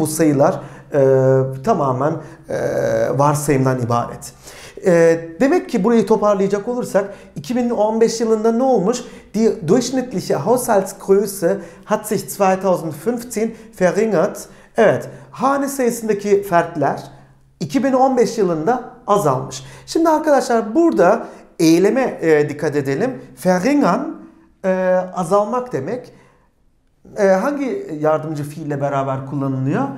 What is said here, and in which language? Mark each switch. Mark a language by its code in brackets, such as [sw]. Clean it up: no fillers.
[tr] Bu sayılar tamamen varsayımdan ibaret. Demek ki burayı toparlayacak olursak 2015 yılında ne olmuş? [de] Die durchschnittliche Haushaltsgröße hat sich 2015 verringert. [tr] Evet, hane sayısındaki fertler 2015 yılında azalmış. Şimdi arkadaşlar burada eyleme dikkat edelim. Verringern azalmak demek. Hangi yardımcı fiille beraber kullanılıyor?